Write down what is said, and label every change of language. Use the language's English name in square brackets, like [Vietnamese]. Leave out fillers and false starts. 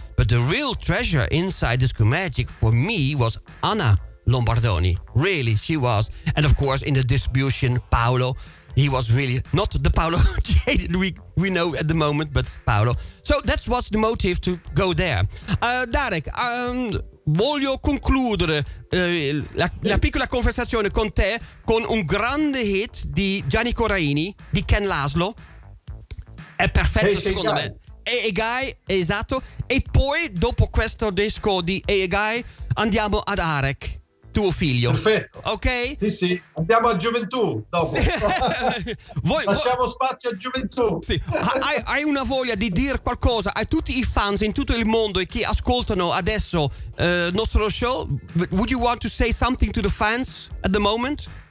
[English] But the real treasure inside Disco Magic for me was Anna Lombardoni. Really, she was. And of course, in the distribution, Paolo. He was really not the Paolo Jaden we know at the moment, but Paolo. So that was the motive to go there. [Italian] Derek, voglio concludere la piccola conversazione con te con un grande hit di Gianni Coraini, di Ken Laszlo. È perfetto, hey, secondo me. Hey, Guy, esatto. E poi, dopo questo disco di Hey, Guy, andiamo ad Arek. Tuo figlio. Perfetto. Ok? Sì, sì. Andiamo a gioventù dopo. Sì. Lasciamo spazio a gioventù. Sì. Hai una voglia di dire qualcosa a tutti i fans in tutto il mondo e che ascoltano adesso il nostro show? [English] Would you want to say something to the fans at the moment?